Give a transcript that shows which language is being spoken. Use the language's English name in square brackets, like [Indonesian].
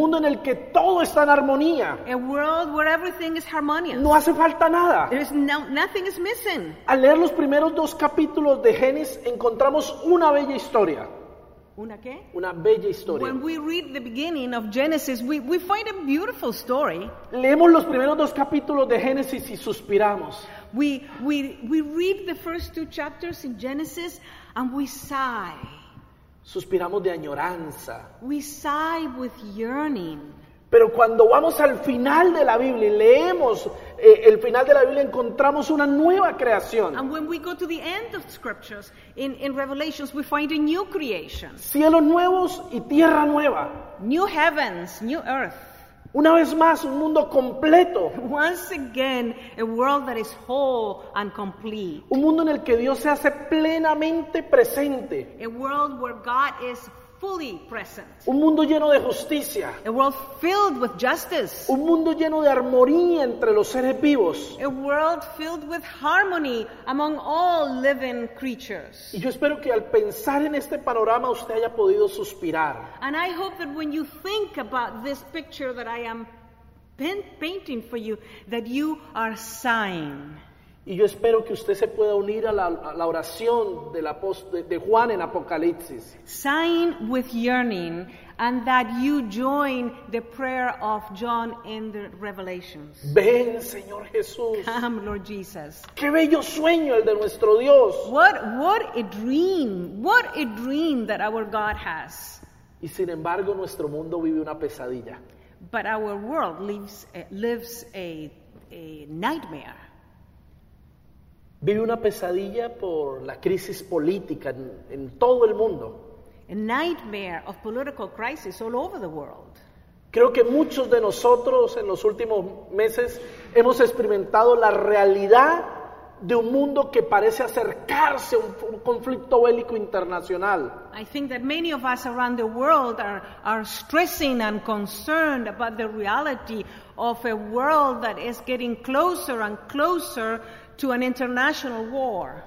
[Spanish] Mundo en el que todo está en armonía. [English] A world where everything is harmonious. [Spanish] No hace falta nada. [English] There is no, nothing is missing. [Spanish] Al leer los primeros dos capítulos de Génesis, encontramos una bella historia. ¿Una qué? Una bella historia. [English] When we read the beginning of Genesis, we find a beautiful story. [Spanish] Leemos los primeros dos capítulos de Génesis y suspiramos. [English] We read the first two chapters in Genesis and we sigh. [Spanish] Suspiramos de añoranza. [English] We sigh with yearning. [Spanish] Pero cuando vamos al final de la Biblia y leemos el final de la Biblia, encontramos una nueva creación. [English] And when we go to the end of scriptures, in Revelations, we find a new creation. [Spanish] Cielos nuevos y tierra nueva. [English] New heavens, new earth. [Spanish] Una vez más, un mundo completo. [English] Once again, a world that is whole and complete. [Spanish] Un mundo en el que Dios se hace plenamente presente. [English] A world where God is fully present. [Spanish] Un mundo lleno de justicia. [English] A world filled with justice. [Spanish] Un mundo lleno de armonía entre los seres vivos. [English] A world filled with harmony among all living creatures. [Spanish] Y yo espero que al pensar en este panorama usted haya podido suspirar. [English] And I hope that when you think about this picture that I am painting for you, that you are sighing. [Spanish] Y yo espero que usted se pueda unir a la oración del de Juan en Apocalipsis. [English] Sign with yearning, and that you join the prayer of John in the Revelations. [Spanish] Ven, Señor Jesús. [English] Come, Lord Jesus. [Spanish] Qué bello sueño el de nuestro Dios. [English] What a dream. What a dream that our God has. [Spanish] Y sin embargo, nuestro mundo vive una pesadilla. [English] But our world lives a nightmare. [Spanish] Vive una pesadilla por la crisis política en todo el mundo. [English] A nightmare of political crisis all over the world. [Spanish] Creo que muchos de nosotros en los últimos meses hemos experimentado la realidad de un mundo que parece acercarse a un conflicto bélico internacional. [English] I think that many of us around the world are stressing and concerned about the reality of a world that is getting closer and closer to an international war.